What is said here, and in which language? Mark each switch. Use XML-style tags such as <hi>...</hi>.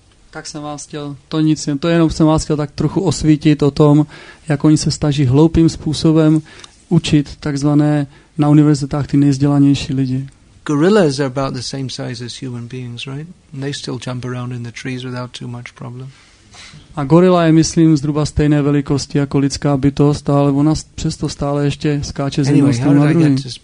<cs>Tak jsem vás chtěl, to nic, to jenom jsem vás chtěl tak trochu osvítit o tom, jak oni se staží hloupým způsobem učit takzvané na univerzitách ty nejvzdělanější lidi.</cs> <en>Gorillas are about the same size as human beings, right? And they still jump around in the trees without too much problem.</en> <cs>A gorila je, myslím, zhruba stejné velikosti jako lidská bytost, ale ona přesto stále ještě skáče z jednoho stromu na druhý.</cs>